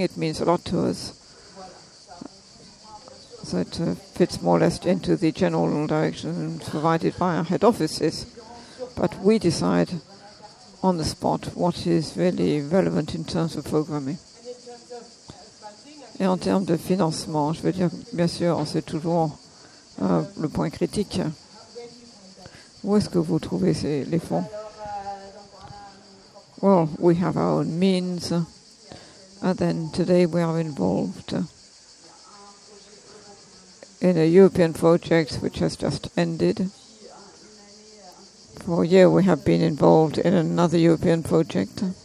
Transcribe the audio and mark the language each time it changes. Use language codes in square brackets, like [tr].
[en] It means a lot to us. So it fits more or less into the general direction provided by our head offices. But we decide on the spot what is really relevant in terms of programming. [fr] Et en termes de financement, je veux dire, bien sûr, c'est toujours le point critique. Où est-ce que vous trouvez les fonds? [en] Well, we have our own means. And then today we are involved in a European project which has just ended. For a year we have been involved in another European project.